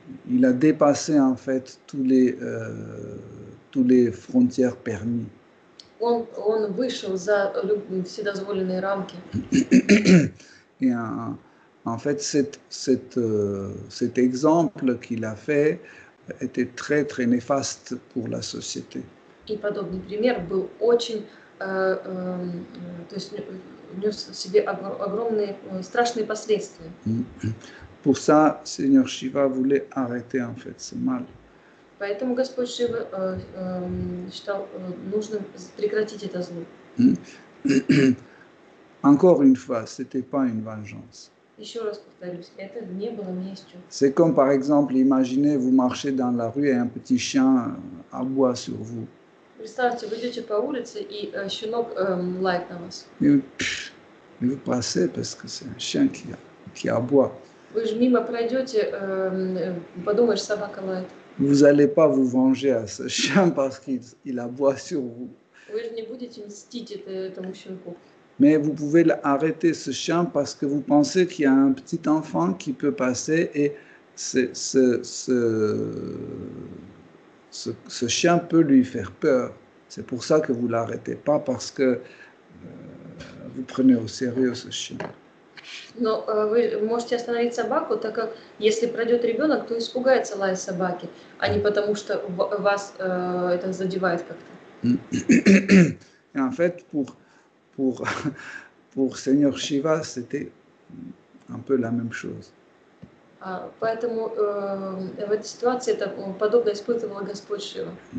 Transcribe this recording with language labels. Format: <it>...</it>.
<fr>il a dépassé, en fait, tous les frontières permis.</fr> <ru>Он вышел за вседозволенные рамки.</ru> <fr>Et en fait, cet exemple qu'il a fait était très très néfaste pour la société.</fr> <ru>И подобный пример был очень, то есть нес в себе огромные страшные последствия.</ru> <fr>Pour ça, Seigneur Shiva voulait arrêter en fait ce mal.</fr> <ru>Поэтому Господь Шива считал нужным прекратить это зло.</ru> <fr>Encore une fois, c'était pas une vengeance.</fr> <ru>Еще раз повторюсь, это не было местью.</ru> <fr>C'est comme par exemple, imaginez, vous marchez dans la rue et un petit chien aboie sur vous.</fr> <ru>Представьте, вы идете по улице и щенок лает на вас.</ru> <fr>Et vous passez parce que c'est un chien qui aboie.</fr> <ru>Вы же мимо пройдете, подумаешь, собака лает.</ru> <fr>Vous allez pas vous venger à ce chien parce qu'il aboie sur vous.</fr> <ru>Вы же не будете мстить этому щенку.</ru> <fr>Mais vous pouvez arrêter ce chien parce que vous pensez qu'il y a un petit enfant qui peut passer et ce chien peut lui faire peur. C'est pour ça que vous ne l'arrêtez pas, parce que vous prenez au sérieux ce chien.</fr> <ru>Но вы можете остановить собаку, так как если пройдет ребенок, то испугается лай собаки, а не потому что вас это задевает как-то.</ru> <fr>Et en fait, pour Seigneur Shiva, c'était un peu la même chose.</fr> <ru>Поэтому в этой ситуации это подобно испытывал Господь Шива.</ru>